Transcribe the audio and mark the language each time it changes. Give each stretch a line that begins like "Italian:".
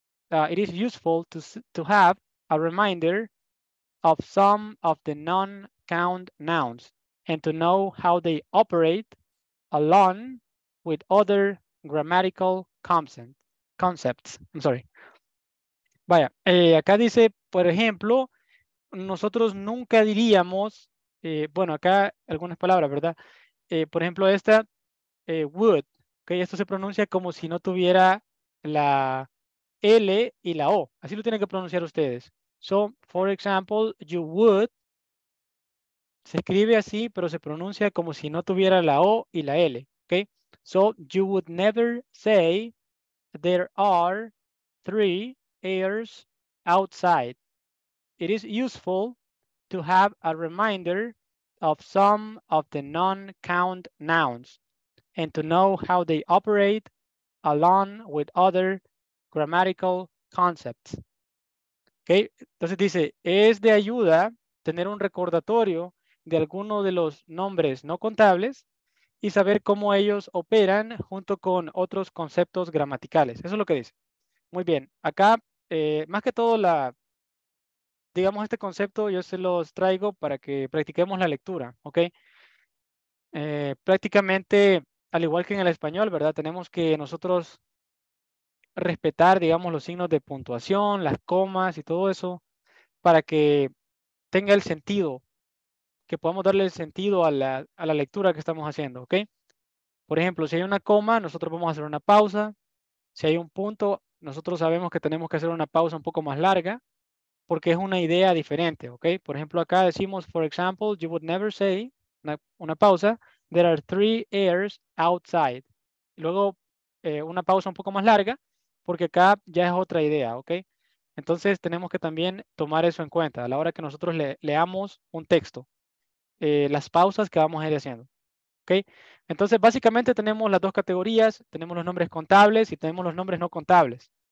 English: It is useful to have a reminder of some of the non-count nouns and to know how they operate along with other grammatical concepts. I'm sorry.
Spanish: Vaya, acá dice, por ejemplo, nosotros nunca diríamos, bueno, acá algunas palabras, ¿verdad? Por ejemplo, esta would, que okay, esto se pronuncia como si no tuviera la L y la O. Así lo tienen que pronunciar ustedes.
English: So, for example, you would,
Spanish: se escribe así, pero se pronuncia como si no tuviera la O y la L. Okay?
English: So, you would never say there are three airs outside. It is useful to have a reminder of some of the non-count nouns and to know how they operate along with other grammatical concepts.
Spanish: Okay, entonces dice, es de ayuda tener un recordatorio de alguno de los nombres no contables y saber cómo ellos operan junto con otros conceptos gramaticales. Eso es lo que dice. Muy bien, acá, más que todo, digamos, este concepto yo se los traigo para que practiquemos la lectura, ¿ok? Prácticamente, al igual que en el español, ¿verdad? Tenemos que nosotros respetar, digamos, los signos de puntuación, las comas y todo eso, para que tenga el sentido, que podamos darle el sentido a la lectura que estamos haciendo, ¿ok? Por ejemplo, si hay una coma, nosotros vamos a hacer una pausa. Si hay un punto, nosotros sabemos que tenemos que hacer una pausa un poco más larga, porque es una idea diferente, ¿ok? Por ejemplo, acá decimos,
English: for example, you would never say,
Spanish: una pausa,
English: there are three airs outside.
Spanish: Luego, una pausa un poco más larga, porque acá ya es otra idea, ¿ok? Entonces, tenemos que también tomar eso en cuenta a la hora que nosotros leamos un texto, las pausas que vamos a ir haciendo, ¿ok? Entonces, básicamente tenemos las dos categorías, tenemos los nombres contables y tenemos los nombres no contables.